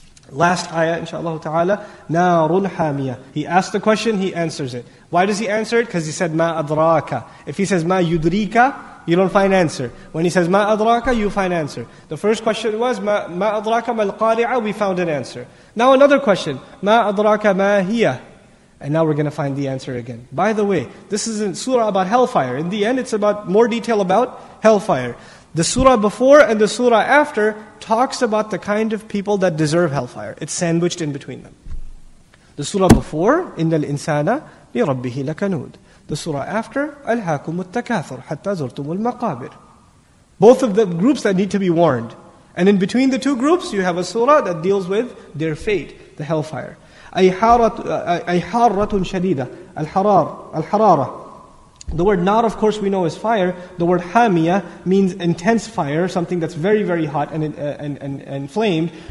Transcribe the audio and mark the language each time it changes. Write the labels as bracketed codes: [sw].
[en] Last ayah, inshaAllah ta'ala, [ar] نَارٌ حَامِيَةٌ. [en] He asks the question, he answers it. Why does he answer it? Because he said, [ar] مَا أَدْرَاكَ. [en] If he says, [ar] مَا يُدْرِيكَ, [en] you don't find answer. When he says, [ar] مَا أَدْرَاكَ, [en] you find answer. The first question was, [ar] مَا أَدْرَاكَ مَا الْقَارِعَةُ, [en] we found an answer. Now another question, [ar] مَا أَدْرَاكَ مَا هِيَة. [en] And now we're going to find the answer again. By the way, this is a surah about hellfire. In the end, it's about more detail about hellfire. The surah before and the surah after talks about the kind of people that deserve hellfire. It's sandwiched in between them. The surah before, [ar] إِنَّ الْإِنسَانَ لِرَبِّهِ لَكَنُودِ. [en] The surah after, [ar] أَلْهَاكُمُ التَّكَاثُرُ حَتَّى زُرْتُمُ الْمَقَابِرِ. [en] Both of the groups that need to be warned. And in between the two groups, you have a surah that deals with their fate, the hellfire. [ar] أي حارة شديدة الحرارة. [en] The word nar, of course, we know is fire. The word حامية means intense fire, something that's very, very hot and inflamed.